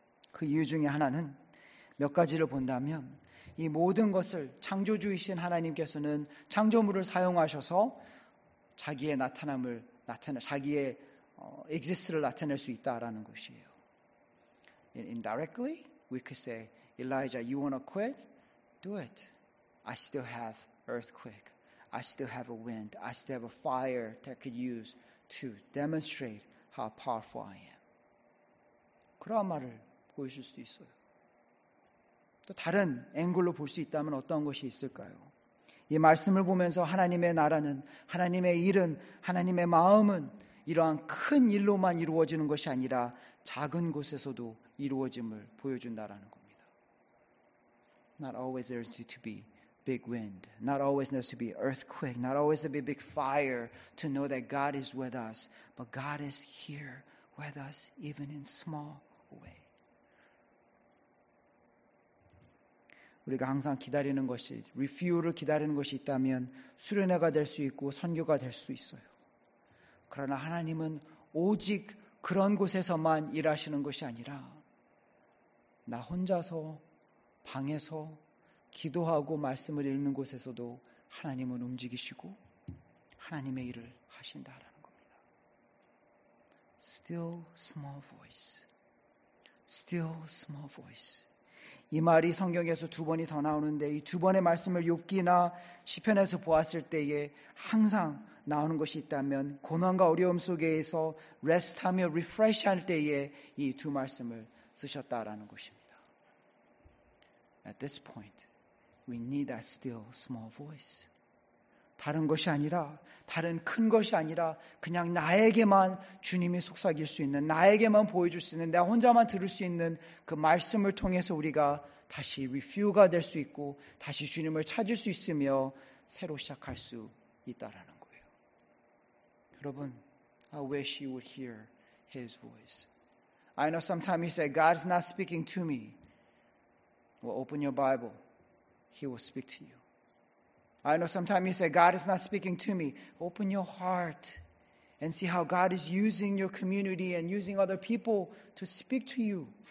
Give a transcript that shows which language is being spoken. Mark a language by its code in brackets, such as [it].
[ko] 그 이유 중에 하나는 몇 가지를 본다면 이 모든 것을 창조주이신 하나님께서는 창조물을 사용하셔서 자기의 나타남을 나타내 자기의 existence를 나타낼 수 있다라는 것이에요. [en] Indirectly, we could say, Elijah, you want to quit? Do it. I still have earthquake. I still have a wind. I still have a fire that could use to demonstrate how powerful I am. [ko] 그러한 말을 보여줄 수도 있어요. 또 다른 앵글로 볼 수 있다면 어떤 것이 있을까요? 이 말씀을 보면서 하나님의 나라는 하나님의 일은 하나님의 마음은 이러한 큰 일로만 이루어지는 것이 아니라 작은 곳에서도 이루어짐을 보여준다라는 겁니다. [en] Not always there is to be big wind. Not always there to be earthquake. Not always there to be big fire to know that God is with us. But God is here with us even in small way. [ko] 우리가 항상 기다리는 것이 refuel을 기다리는 것이 있다면 수련회가 될 수 있고 선교가 될 수 있어요. 그러나 하나님은 오직 그런 곳에서만 일하시는 것이 아니라 나 혼자서 방에서 기도하고 말씀을 읽는 곳에서도 하나님은 움직이시고 하나님의 일을 하신다라는 겁니다. [en] Still small voice. Still small voice. [ko] 이 말이 성경에서 두 번이 더 나오는데 이 두 번의 말씀을 욥기나 시편에서 보았을 때에 항상 나오는 것이 있다면 고난과 어려움 속에서 rest하며 refresh할 때에 이 두 말씀을 쓰셨다라는 것입니다. [en] At this point, we need that still small voice. [ko] 다른 것이 아니라, 다른 큰 것이 아니라 그냥 나에게만 주님이 속삭일 수 있는, 나에게만 보여줄 수 있는, 내가 혼자만 들을 수 있는 그 말씀을 통해서 우리가 다시 refuel가 될 수 있고 다시 주님을 찾을 수 있으며 새로 시작할 수 있다라는 거예요. 여러분, [en] I wish you would hear his voice. I know sometimes he said, God is not speaking to me. Well, open your Bible. He will speak to you. I know sometimes you say, God is not speaking to me. Open your heart and see how God is using your community and using other people to speak to you.